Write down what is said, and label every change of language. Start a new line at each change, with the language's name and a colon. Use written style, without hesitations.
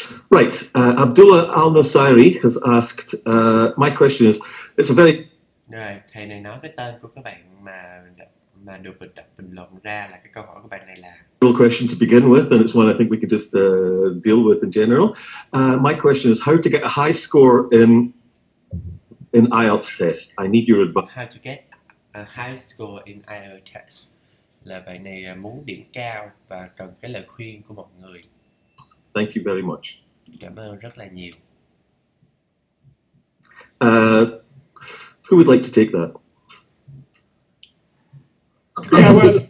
English: Right, Abdullah Al-Nusairi has asked, my question is, it's a very...
Vietnamese: Rồi, thầy này nói cái tên của các bạn mà được mình đọc bình luận ra là cái câu hỏi của bạn này là...
English: Real question to begin with, and it's one I think we could just deal with in general. My question is, how to get a high score in IELTS test? I need your advice. How to get a high score in IELTS test?
Vietnamese: Là bạn này muốn điểm cao và cần cái lời khuyên của mọi người.
English: Thank you very much.
Vietnamese: Cảm ơn rất là nhiều.
English: Who would like to take that? Yeah, well,